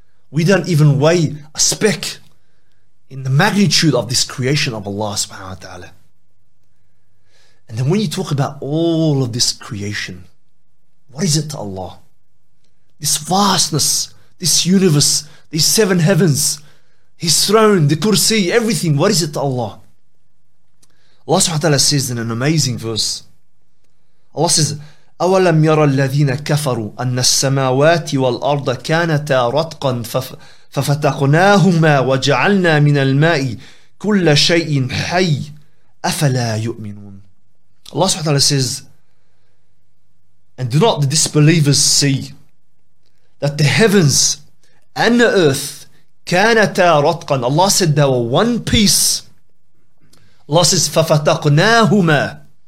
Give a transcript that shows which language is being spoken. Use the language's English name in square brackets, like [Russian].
[English] We don't even weigh a speck in the magnitude of this creation of Allah subhanahu wa ta'ala. And then when you talk about all of this creation, what is it to Allah? This vastness, this universe, these seven heavens, His throne, the kursi, everything, what is it to Allah? Allah subhanahu wa ta'ala says in an amazing verse, Allah says, [Arabic] أَوَلَمْ يَرَى الَّذِينَ كَفَرُوا أَنَّ السَّمَاوَاتِ وَالْأَرْضَ كَانَتَا رَتْقًا فَفَتَقْنَاهُمَا وَجَعَلْنَا مِنَ الْمَاءِ كُلَّ شَيْءٍ حَيٍّ أَفَلَا يُؤْمِنُونَ. [English] Allah subhanahu wa ta'ala says, and do not the disbelievers see that the heavens and the earth, [Arabic] كَانَتَا رَتْقًا, [English] Allah said they were one piece. Allah says, [Arabic] فَفَتَقْنَاهُمَا.